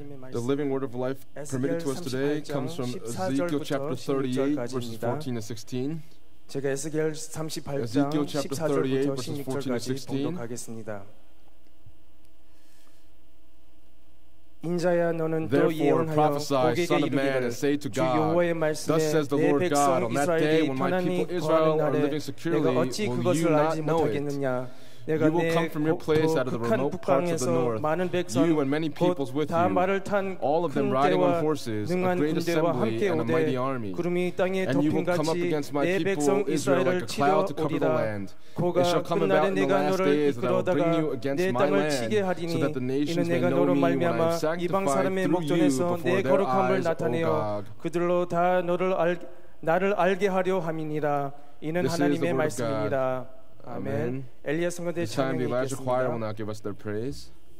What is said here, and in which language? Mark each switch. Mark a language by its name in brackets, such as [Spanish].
[English] The living word of life permitted to us today comes from Ezekiel chapter 38, verses 14 and 16. [Korean] 제가 에스겔 38장 14절부터 16절까지 봉독하겠습니다. 인자야 너는 또 예언하여 고개가 이르기를 주 여호와의 말씀에 내 백성 이스라엘이 편안히 거하는 날에 내가 어찌 그것을 알지 못하겠느냐. [English] You will come from your place out of the remote parts of the north. You and many peoples with you, all of them riding on horses, a great assembly and a mighty army. And you will come up against my people Israel like a cloud to cover the land. It shall come about in the last days that I will bring you against my land, so that the nations may know me when I have sanctified through you before their eyes, O Gog. [Korean] 그들로 다 너를 알 나를 알게 하려 함이니라. 이는 하나님의 말씀입니다. [English] Amen. This time the Elijah choir will now give us their praise.